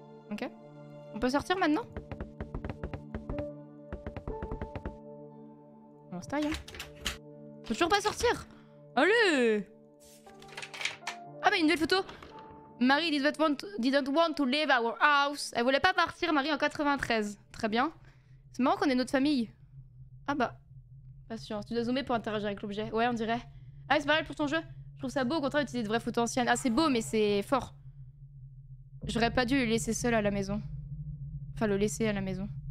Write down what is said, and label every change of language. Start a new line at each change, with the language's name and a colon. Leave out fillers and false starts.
French: Ok. On peut sortir maintenant? On se taille, hein. On peut toujours pas sortir! Allez! Ah, mais une nouvelle photo!
English: Marie didn't want to leave our house.
French: Elle voulait pas partir, Marie, en 93. Très bien. C'est marrant qu'on ait notre famille. Ah bah. Pas sûr. Tu dois zoomer pour interagir avec l'objet. Ouais, on dirait. Ah, c'est pareil pour ton jeu. Je trouve ça beau, au contraire, d'utiliser de vraies photos anciennes. Ah, c'est beau, mais c'est fort. J'aurais pas dû le laisser seul à la maison. Enfin, le laisser à la maison.